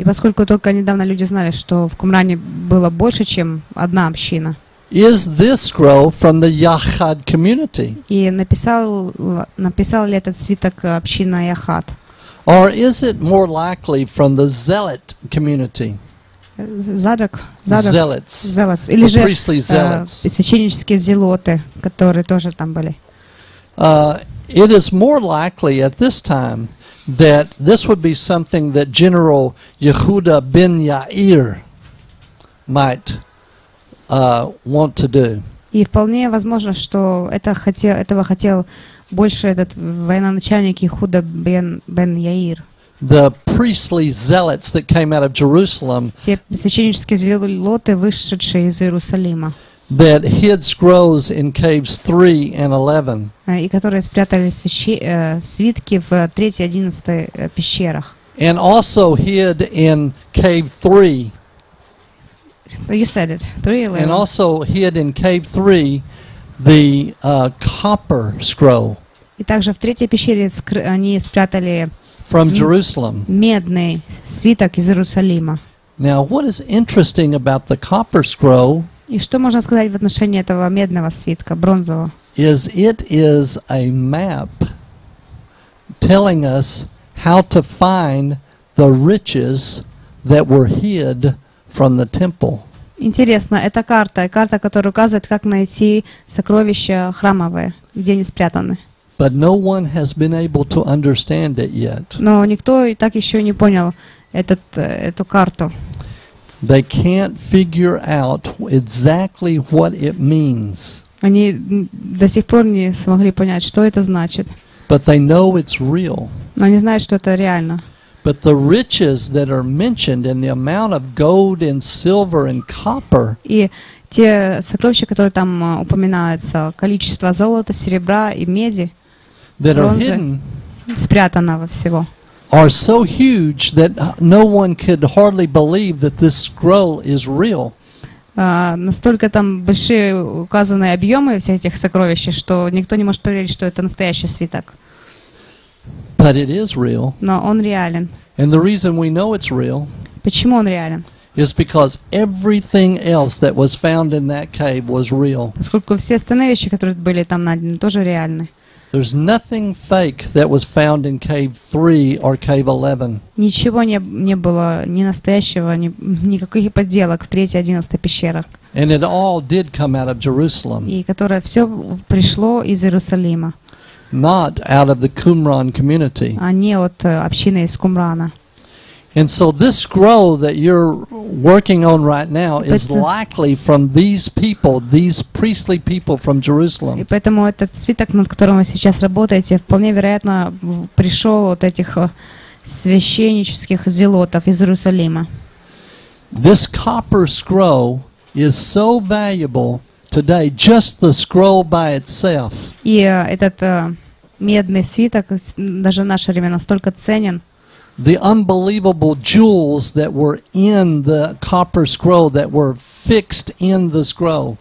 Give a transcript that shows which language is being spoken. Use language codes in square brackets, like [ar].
[ru] И поскольку только недавно люди знали, что в Кумране было больше, чем одна община. [en] Is this scroll from the Яхад community? [ru] И написал ли этот свиток община Яхад? [en] Or is it more likely from the zealot community? Zealots. [ru] Или же [en] priestly zealots. [ru] Священнические зелоты, которые тоже там были. [en] It is more likely at this time that this would be something that General Yehuda ben Yair might want to do. [ru] И вполне возможно, что этого хотел больше этот военачальник Ехуда бен Яир. [en] The priestly zealots that came out of Jerusalem. [ru] Те священнические зелоты, вышедшие из Иерусалима. [en] That hid scrolls in caves 3 and 11. [ru] И которые спрятали свитки в 3-й, 11-й пещерах. [en] And also hid in cave 3. You said it. 3-11. And also hid in cave 3 the copper scroll. [ru] И также в 3-й пещере они спрятали [en] from Jerusalem. [ru] Медный свиток из Иерусалима. [en] Now what is interesting about the copper scroll? [ru] И что можно сказать в отношении этого медного свитка, бронзового? [en] Is it is a map telling us how to find the riches that were hid from the temple. [ru] Интересно, это карта, которая указывает, как найти сокровища храмовые, где они спрятаны. [en] But no one has been able to understand it yet. [ru] Но никто и так еще не понял эту карту. [en] They can't figure out exactly what it means. [ru] Они до сих пор не смогли понять, что это значит. [en] But they know it's real. [ru] Но они знают, что это реально. [en] But the riches that are mentioned and the amount of gold and silver and copper. [ru] И те сокровища, которые там упоминаются, количество золота, серебра и меди, [en] that are hidden, [ru] спрятанного всего. [en] Are so huge that no one could hardly believe that this scroll is real. [ru] Настолько там большие указаны объемы всех этих сокровищ, что никто не может поверить, что это настоящий свиток. [en] But it is real. [ru] Но он реален. [en] And the reason we know it's real. [ru] Почему он реален? [en] Is because everything else that was found in that cave was real. [ru] Поскольку все остальные вещи, которые были там найдены, тоже реальны. [en] There's nothing fake that was found in cave 3 or cave 11. [ru] Ничего не было ни настоящего, никаких подделок в 3-й, 11-й пещерах. [en] And it all did come out of Jerusalem. [ru] И которое все пришло из Иерусалима. [en] Not out of the Qumran community. [ru] А не от общины из Кумрана. [en] And so this scroll that you're working on right now is likely from these people, these priestly people from Jerusalem. [ru] И поэтому этот свиток, над которым вы сейчас работаете, вполне вероятно пришел от этих священнических зелотов из Иерусалима. [en] This copper scroll is so valuable today, just the scroll by itself. [ru] И этот медный свиток даже в наше время настолько ценен. [en] The unbelievable jewels that were in the copper scroll that were fixed in the scroll.